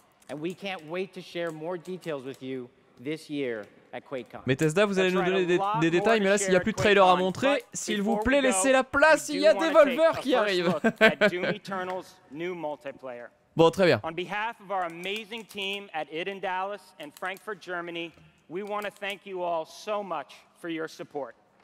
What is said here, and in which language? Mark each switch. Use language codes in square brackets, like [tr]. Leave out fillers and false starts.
[en] And we can't wait to share more details with you this year at QuakeCon. [fr] Bethesda, vous allez nous donner des détails, mais là, s'il n'y a plus de trailer à montrer, s'il vous plaît, laissez la place, il y a Devolver qui arrive. Bon, très bien. [en] On behalf of our amazing team at id in Dallas and Frankfurt, Germany, we want to thank you all so much for your support.